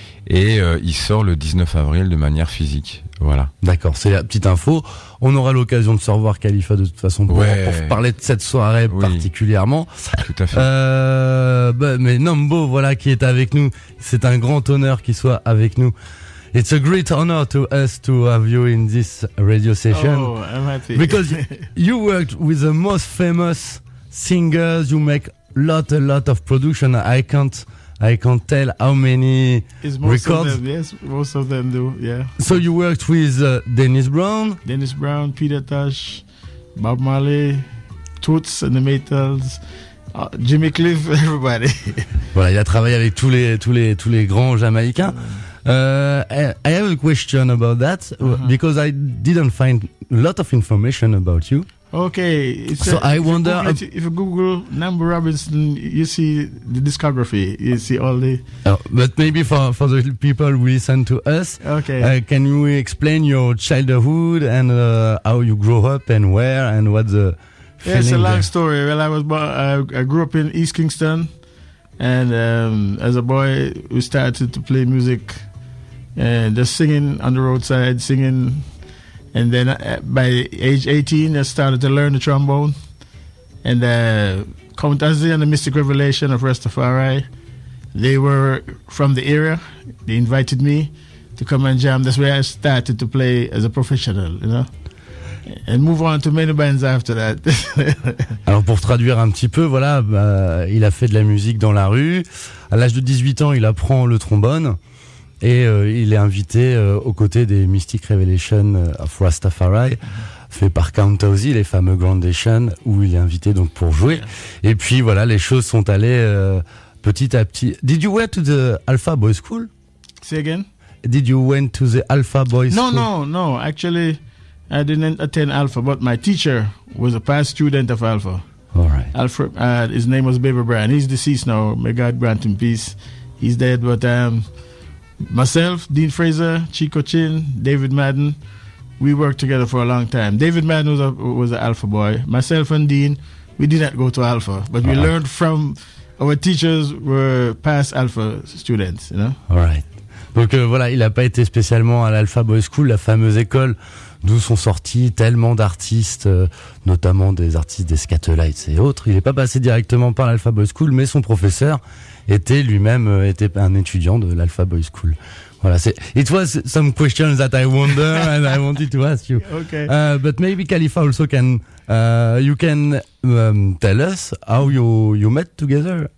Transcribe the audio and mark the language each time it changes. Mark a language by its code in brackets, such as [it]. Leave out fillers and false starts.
[fr] Et il sort le 19 avril de manière physique. Voilà. D'accord, c'est la petite info. On aura l'occasion de se revoir, Khalifa, de toute façon, pour parler de cette soirée, oui, particulièrement. Tout à fait. Mais Nambo, voilà, qui est avec nous. C'est un grand honneur qu'il soit avec nous. [en] It's a great honor to us to have you in this radio session. Oh, I'm happy. Because you worked with the most famous singers. You make a lot of production. I can't tell how many records. Most of them do, yeah. So you worked with Dennis Brown. Dennis Brown, Peter Tosh, Bob Marley, Toots and the Maytals, Jimmy Cliff, everybody. [fr] Voilà, il a travaillé avec tous les grands Jamaïcains. [en] I have a question about that, because I didn't find a lot of information about you. Okay, if you Google Number Robinson, you see the discography, you see all the... But maybe for the people who listen to us, okay, can you explain your childhood and how you grow up and where and what the feeling? It's a long story. Well, I grew up in East Kingston, and as a boy, we started to play music and just singing on the roadside, singing. And then by age 18, I started to learn the trombone and Countazi and the Mystic Revelation of Rastafari. They were from the area. They invited me to come and jam. That's where I started to play as a professional, you know. And move on to many bands after that. [fr] Alors pour traduire un petit peu, voilà, bah, il a fait de la musique dans la rue. À l'âge de 18 ans, il apprend le trombone. Et il est invité aux côtés des Mystic Revelation of Rastafari, fait par Count Ozzy, les fameux Groundation, où il est invité donc pour jouer. Et puis voilà, les choses sont allées petit à petit. [en] Did you went to the Alpha Boys School? Say again? Did you went to the Alpha Boys School? No. Actually, I didn't attend Alpha, but my teacher was a past student of Alpha. All right. Alfred, his name was Baby Brian. He's deceased now. May God grant him peace. He's dead, but myself, Dean Fraser, Chico Chin, David Madden, we worked together for a long time. David Madden was an Alpha boy. Myself and Dean, we did not go to Alpha, but we learned from our teachers were past Alpha students, you know? All right. [fr] Donc voilà, il n'a pas été spécialement à l'Alpha Boys School, la fameuse école d'où sont sortis tellement d'artistes, notamment des artistes des Scatolites et autres. Il n'est pas passé directement par l'Alpha Boys School, mais son professeur était lui-même était un étudiant de l'Alpha Boys School. Voilà, c'est, [en] it was some questions that I wonder and I wanted to ask you. Okay. But maybe Khalifa also can, you can tell us how you met together.